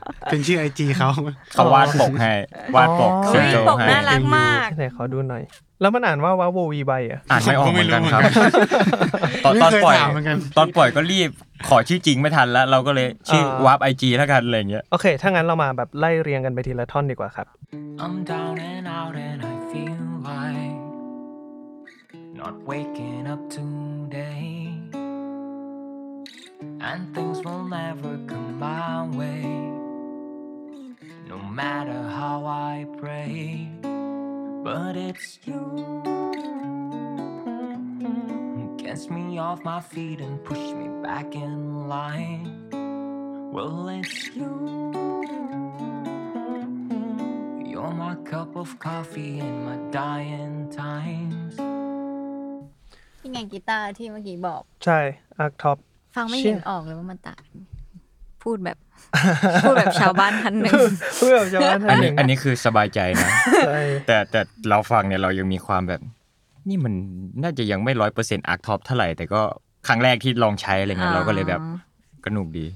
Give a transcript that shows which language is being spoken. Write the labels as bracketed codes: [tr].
[th] เป็นชื่อ IG เขา วาดปกให้วาดปก เฮ้ยปกน่ารักมาก แต่ขอดูหน่อยแล้วมันอ่านว่าวาโววีไวอ่ ะ อ่านไม่ออกเหมือนกันครับตอนปล่อยก็รีบขอชื่อจริงไม่ทันแล้วเราก็เลยชื่อวาป IG แล้วกันอะไรเงี้ย โอเคถ้างั้นเรามาแบบไล่เรียงกันไปทีละท่อนดีกว่าครับ [en] I'm down and out and I feel like not waking up todayAnd things will never come my way No matter how I pray But it's you Gets me off my feet and push me back in line Well it's you You're my cup of coffee in my dying times [th] นี่ไงกีตาร์ที่เมื่อกี้บอก ใช่อาร์คท็อป ฟังไม่เห็นออกเลยว่ามันต่างพูดแบบชาวบ้านท่านหนึ่ง พูดแบบชาวบ้านท่านหนึ่งอันนี้คือสบายใจนะแต่เราฟังเนี่ยเรายังมีความแบบนี่มันน่าจะยังไม่ 100% อาร์คท็อปเท่าไหร่แต่ก็ครั้งแรกที่ลองใช้อะไรเงี้ยเราก็เลยแบบกระหนุกดี